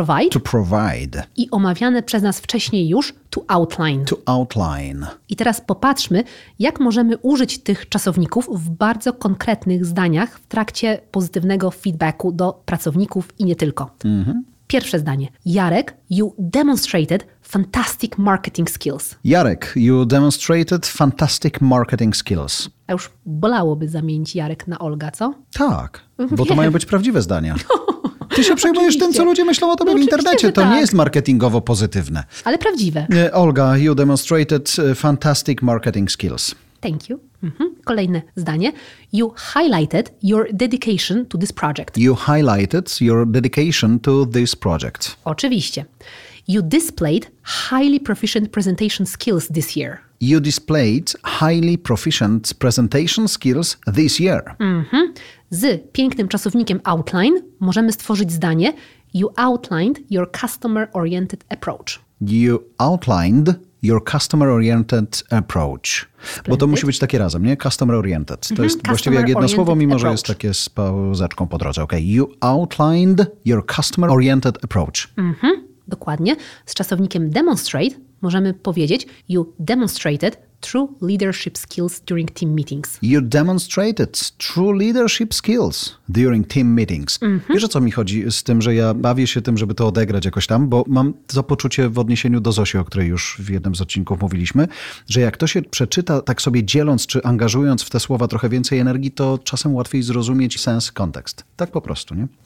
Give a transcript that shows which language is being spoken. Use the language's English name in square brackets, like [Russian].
[English] to provide [Polish] i omawiane przez nas wcześniej już to outline. I teraz popatrzmy, jak możemy użyć tych czasowników w bardzo konkretnych zdaniach w trakcie pozytywnego feedbacku do pracowników i nie tylko. Mm-hmm. Pierwsze zdanie. [English] Jarek, you demonstrated fantastic marketing skills. Jarek, you demonstrated fantastic marketing skills. [Polish] A już bolałoby zamienić Jarek na Olga, co? Tak, bo to mają być prawdziwe zdania. No, ty się przejmujesz tym, co ludzie myślą o tobie w internecie. To nie jest marketingowo pozytywne. Ale prawdziwe. [English] Olga, you demonstrated fantastic marketing skills. Thank you. Mhm. [Polish] Kolejne zdanie. [English] You highlighted your dedication to this project. You highlighted your dedication to this project. Oczywiście. You displayed highly proficient presentation skills this year. You displayed highly proficient presentation skills this year. Mm-hmm. [Polish] Z pięknym czasownikiem outline możemy stworzyć zdanie [English] You outlined your customer-oriented approach. You outlined your customer-oriented approach. Splendid. [Polish] Bo to musi być takie razem, nie? Customer-oriented. Mm-hmm. To jest customer właściwie jak jedno słowo, mimo approach. Że jest takie z pauzeczką po drodze. [English] Okay. You outlined your customer-oriented approach. Mm-hmm. [Polish] Dokładnie. Z czasownikiem demonstrate możemy powiedzieć [English] You demonstrated true leadership skills during team meetings. You demonstrated true leadership skills during team meetings. Mm-hmm. [Polish] Wiesz, o co mi chodzi z tym, że ja bawię się tym, żeby to odegrać jakoś tam, bo mam to poczucie w odniesieniu do Zosi, o której już w jednym z odcinków mówiliśmy, że jak to się przeczyta tak sobie dzieląc czy angażując w te słowa trochę więcej energii, to czasem łatwiej zrozumieć sens, kontekst. Tak po prostu, nie?